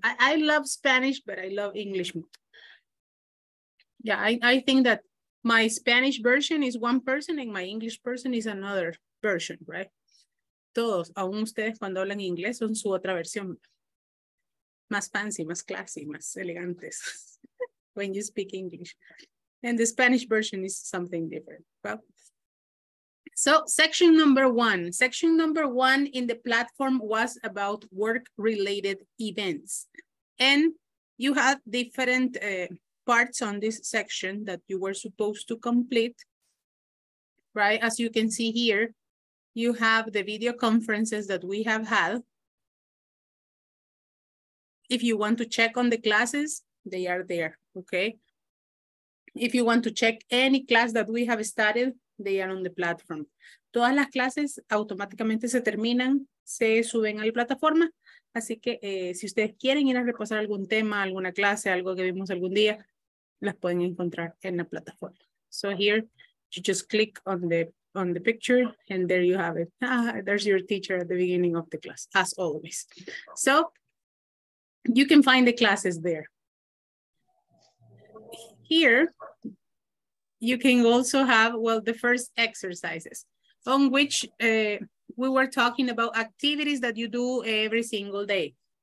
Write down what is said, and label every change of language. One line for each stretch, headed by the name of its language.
English: I love Spanish, but I love English more. Yeah, I think that my Spanish version is one person and my English person is another version, right?
Spanish: Todos, aún ustedes cuando hablan inglés, son su otra versión. Más fancy, más classy, más elegantes.
English: When you speak English. And the Spanish version is something different. Well, so section number one. Section number one in the platform was about work-related events. And you had different parts on this section that you were supposed to complete. Right, as you can see here, you have the video conferences that we have had. If you want to check on the classes, they are there, okay? If you want to check any class that we have started, they are on the platform.
Spanish: Todas las clases automáticamente se terminan, se suben a la plataforma. Así que si ustedes quieren ir a repasar algún tema, alguna clase, algo que vimos algún día, las pueden encontrar en la plataforma.
English: So here, you just click on the picture and there you have it. There's your teacher at the beginning of the class, as always. So you can find the classes there. Here, you can also have, well, the first exercises on which we were talking about activities that you do every single day.